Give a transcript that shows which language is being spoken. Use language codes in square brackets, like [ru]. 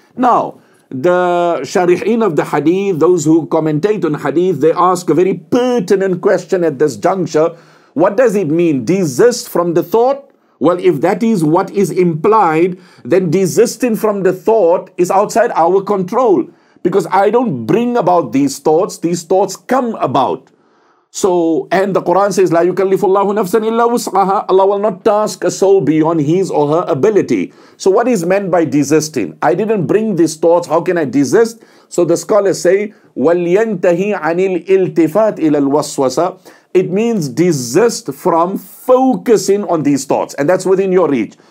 [en] Now, the Shari'een of the Hadith, those who commentate on Hadith, they ask a very pertinent question at this juncture. What does it mean? Desist from the thought? Well, if that is what is implied, then desisting from the thought is outside our control. Because I don't bring about these thoughts come about. So, and the Quran says, [ar] لا يكلف الله نفسا إلا وسعها. [en] Allah will not task a soul beyond his or her ability. So what is meant by desisting? I didn't bring these thoughts, how can I desist? So the scholars say, [ar] وَلْيَنْتَهِ عَنِ الْإِلْتِفَاتِ إِلَى الْوَسْوَسَ. [en] It means desist from focusing on these thoughts, and that's within your reach.